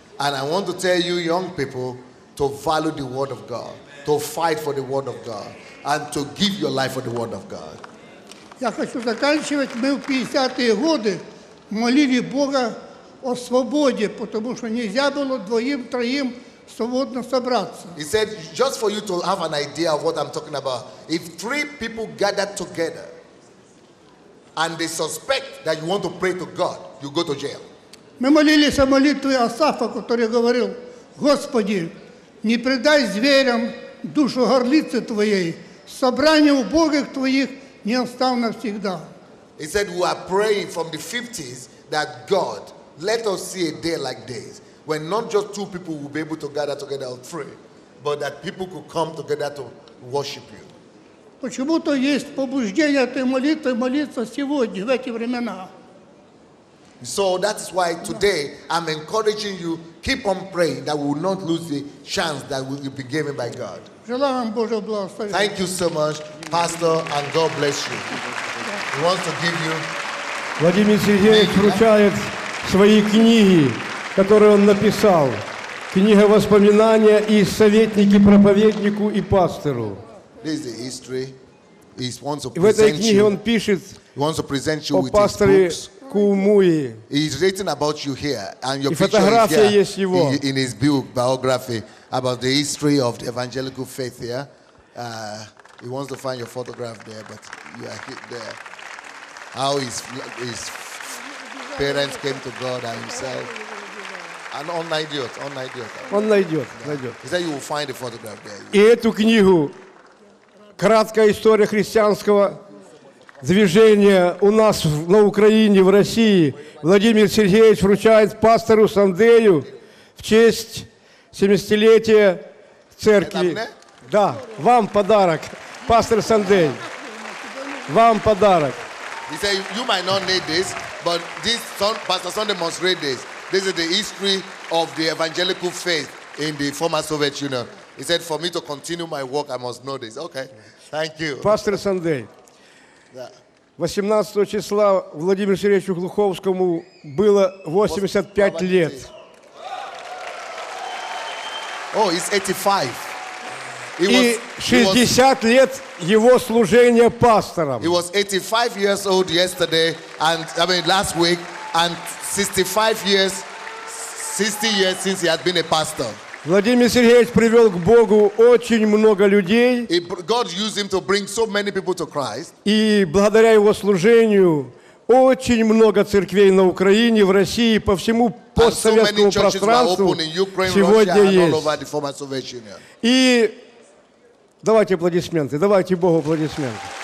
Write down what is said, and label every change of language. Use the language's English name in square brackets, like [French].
[English] And I want to tell you young people to value the word of God, to fight for the word of God, and to give your life for the word of God. [Russian] Я хочу заканчивать. Мы в 50-е годы молили Бога о свободе, потому что нельзя было двоим-троим свободно собраться. [English] He said, just for you to have an idea of what I'm talking about, if three people gather together and they suspect that you want to pray to God, you go to jail. [Russian] Мы молились о молитве Асафа, который говорил: Господи, Не предай зверям душу горлицы твоей, собрание убогих твоих не остав навсегда. [English] He said, we are praying from the 50s that God, let us see a day like this, when not just two people will be able to gather together and pray, but that people could come together to worship you. [Russian] Почему-то есть побуждение этой молитвы молиться сегодня, в эти времена. [English] So that's why today I'm encouraging you, keep on praying that we will not lose the chance that will be given by God. [Russian] Желаю вам Божьего благословения. [English] Thank you so much, Pastor, and God bless you. He wants to give you... [Russian] Владимир Сергеевич вручает свои книги, которые он написал. Книга воспоминания и советники проповеднику и пастору. [English] This is the history. He wants to present you. [Russian] В этой книге он пишет о пасторе Кумуи. [English] He's written about you here, and your [Russian] и фотография есть его. [English] In his biography about the history of the evangelical faith here, he wants to find your photograph there, but you are hit there. How his parents came to God and himself. An unidiot, unidiot. Unidiot. He said you will find the photograph there. [Russian] И эту книгу. Краткая история христианского движения у нас на Украине, в России. Владимир Сергеевич вручает пастору Сандею в честь 70-летия церкви. Да, вам подарок, пастор Сандей. Вам подарок. [English] He said, you might not need this, but this son, Pastor Sunday must read this. This is the history of the evangelical faith in the former Soviet Union. He said, for me to continue my work, I must know this. Okay. Thank you. [Russian] Пастор Сандей. 18 числа Владимиру Сергеевичу Глуховскому было 85 лет. [English] Oh, he's 85. He was, [Russian] и 60 лет его служения пастором. [English] He was 85 years old yesterday, and I mean last week, and 65 years, 60 years since he had been a pastor. [Russian] Владимир Сергеевич привел к Богу очень много людей. [English] God used him to bring so many people to Christ. [Russian] И благодаря его служению очень много церквей на Украине, в России, по всему постсоветскому пространству сегодня есть. И давайте аплодисменты, давайте Богу аплодисменты.